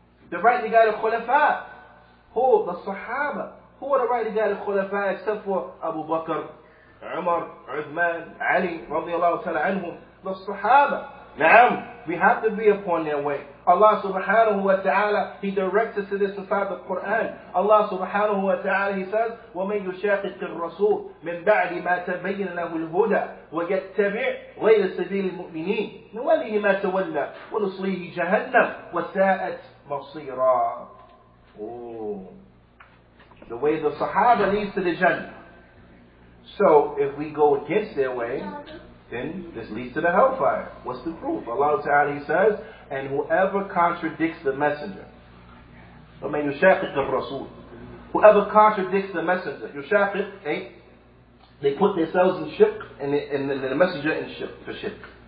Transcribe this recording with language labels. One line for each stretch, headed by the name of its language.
English: The rightly guided khulafa. Who? The Sahaba. Who are the rightly guided khulafa except for Abu Bakr? Umar, Uthman, Ali, radiallahu ta'ala anhum, the Sahaba. Naam, we have to be upon their way. Allah subhanahu wa ta'ala, He directs us to this inside the Quran.
Arabic: Allah subhanahu wa ta'ala,
English: He says,
Arabic: وَمَنْ يُشَاقِقِ الرَّسُولِ مِنْ بَعْدِ مَا تَبَيِّنَ لَهُ الْهُدَى وَيَتَّبِعْ غَيْرَ سَبِيلِ الْمُؤْمِنِينَ نُوَلِّهِ مَا تَوَلَّى وَنُصْلِيهِ جَهَنَّمْ وَسَاءَتْ مَصِيرًا
English: The way the Sahaba leads to the Jannah. So, if we go against their way, then this leads to the hellfire. What's the proof? Allah Ta'ala, He says, and whoever contradicts the messenger,
Arabic: وَمَنْ يُشَاقِقِ الرَّسُولِ
English: Whoever contradicts the messenger, يُشَاقِق, they put themselves in shirk, and the messenger in shirk, for shirk.